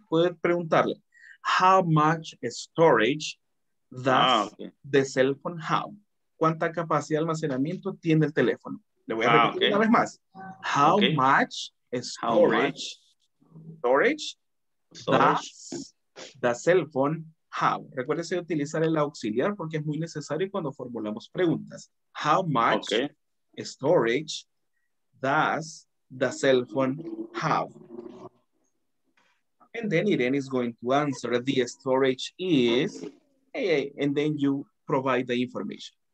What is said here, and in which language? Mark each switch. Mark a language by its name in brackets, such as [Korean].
[Spanish] Puede preguntarle, [English] how much storage does the cell phone have? [Spanish] ¿Cuánta capacidad de almacenamiento tiene el teléfono? Le voy a repetir una vez más. [English] How much storage does the cell phone have? [Spanish] Recuérdese de utilizar el auxiliar porque es muy necesario cuando formulamos preguntas. [English] How much storage does the cell phone have? And then Irene is going to answer the storage is, and then you provide the information.